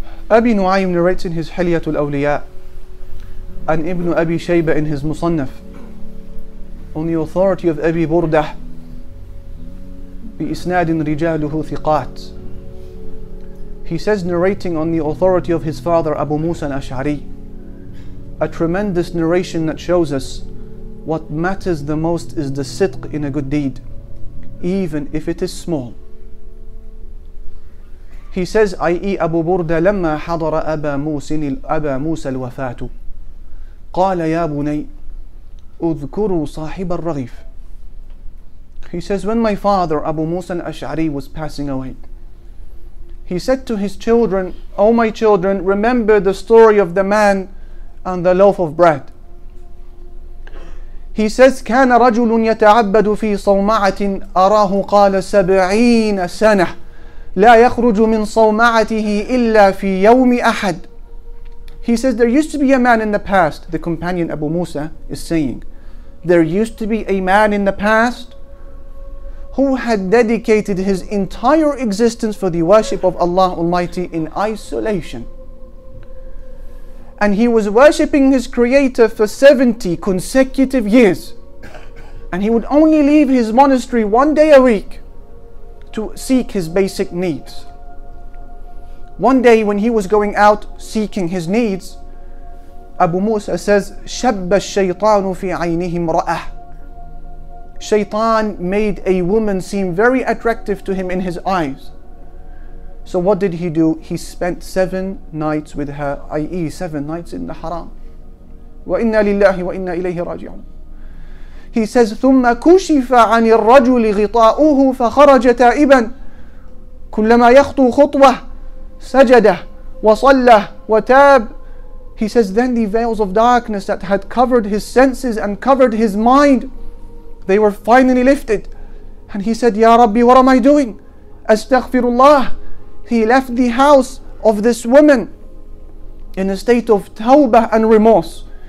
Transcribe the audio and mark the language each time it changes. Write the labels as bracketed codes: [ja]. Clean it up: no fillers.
[en] Abi Nu'aym narrates in his Hilyatul Awliya, and Ibn Abi Shayba in his Musannaf, on the authority of Abi Burdah, [ar] بِإِسْنَادٍ رِجَالُهُ ثِقَاتٍ, [en] he says, narrating on the authority of his father Abu Musa al-Ash'ari, a tremendous narration that shows us what matters the most is the sidq in a good deed, even if it is small. He says, i.e. [ar] Abu Burdah, لَمَّا حَضَرَ أَبَا مُوسَى الْوَفَاتُ قال يا بني اذكروا صاحب الرغيف. [en] He says, when my father Abu Musa al-Ash'ari was passing away, he said to his children, O my children, remember the story of the man and the loaf of bread. He says, [ar] كان رجل يتعبد في صومعة أراه قال 70 سنة لا يخرج من صومعته إلا في يوم أحد. [en] He says, there used to be a man in the past, the companion Abu Musa is saying, there used to be a man in the past who had dedicated his entire existence for the worship of Allah Almighty in isolation. And he was worshipping his creator for 70 consecutive years. And he would only leave his monastery one day a week to seek his basic needs. One day when he was going out seeking his needs, Abu Musa says, [ar] شَبَّ الشَّيْطَانُ فِي عَيْنِهِمْ رَأَهُ. [en] Shaytan made a woman seem very attractive to him in his eyes. So what did he do? He spent 7 nights with her, i.e. 7 nights in the haram. [ar] وَإِنَّا لِلَّهِ وَإِنَّا إِلَيْهِ رَاجِعُونَ. [en] He says, [ar] ثُمَّ كُشِفَ عَنِ الرَّجُلِ غِطَاؤُهُ فَخَرَجَ تَائِبًا كُلَّمَا يَخْطُو خُطْوَهُ سَجَدَهُ وَصَلَّهُ وَتَابُ. [en] He says, then the veils of darkness that had covered his senses and covered his mind, they were finally lifted. And he said, Ya Rabbi, what am I doing? Astaghfirullah. He left the house of this woman in a state of tawbah and remorse.